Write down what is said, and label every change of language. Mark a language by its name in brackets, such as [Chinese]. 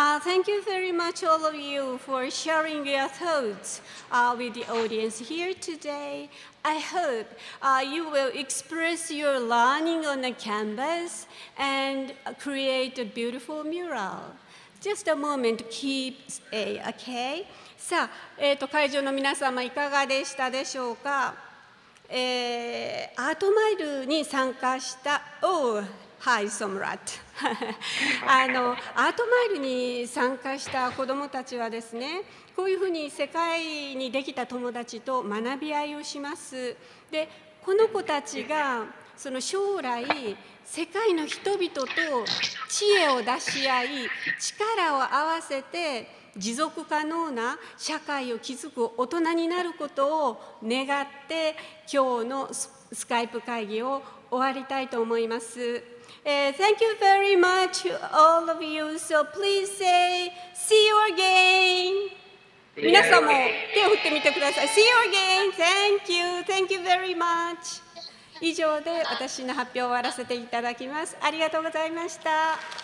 [English] Thank you very much, all of you, for sharing your thoughts with the audience here today. I hope you will express your learning on the canvas and create a beautiful mural. Just a moment, keep stay, okay? [Japanese] さあ、会場の皆様、いかがでしたでしょうか？アートマイルに参加した、 [English] oh, hi, [Japanese] Somrat. アートマイルに参加した子どもたちはですね、こういうふうに世界にできた友達と学び合いをします。で、この子たちがその将来世界の人々と知恵を出し合い、力を合わせて持続可能な社会を築く大人になることを願って、今日のスカイプ会議を終わりたいと思います。 [English] Thank you very much all of you, so please say see you again. [Japanese] 皆さんも手を振ってみてください。 [English] See you again. Thank you. Thank you very much. [Japanese] 以上で私の発表を終わらせていただきます。ありがとうございました。